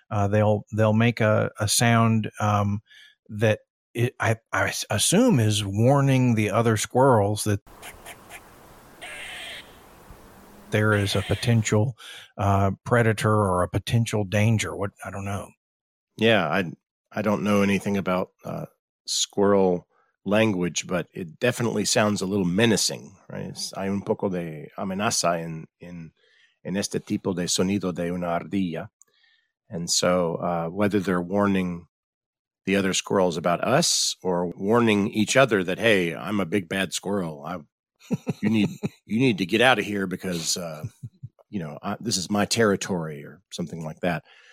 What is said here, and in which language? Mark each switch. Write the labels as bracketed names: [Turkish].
[English] They'll make a sound that I assume is warning the other squirrels that there is a potential predator or a potential danger. What, I don't know. Yeah, I don't know anything about squirrel language, but it definitely sounds a little menacing, right? [Spanish] Hay un poco de amenaza en este tipo de sonido de una ardilla. [English] And so whether they're warning the other squirrels about us or warning each other that, hey, I'm a big bad squirrel. You need to get out of here because, this is my territory or something like that.